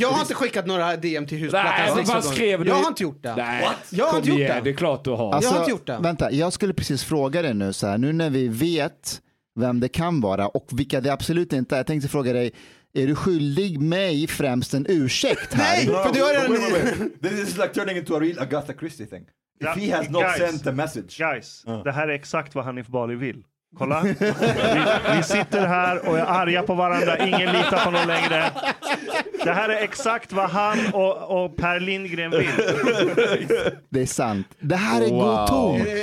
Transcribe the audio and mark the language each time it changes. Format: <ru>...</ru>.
<sv>Jag har inte skickat några DM till Husplattarnas riksförening. Vad skrev du? Jag har inte gjort det. Nej. What? Jag har inte gjort det. Det är klart du har. Alltså, jag har inte gjort det. Vänta, jag skulle precis fråga dig nu så här. Nu när vi vet vem det kan vara och vilka det absolut inte är. Jag tänkte fråga dig. är du skyldig mig främst en ursäkt här? Nej, för du har redan...</sv> <en>This is like turning into a real Agatha Christie thing. If he has not sent the message.</en> <sv>Guys, det här är exakt vad Hanif Bali vill. Kolla. Vi sitter här och är arga på varandra. Ingen litar på någon längre. Det här är exakt vad han och Per Lindgren vill. Det är sant. Det här är god ton.</sv>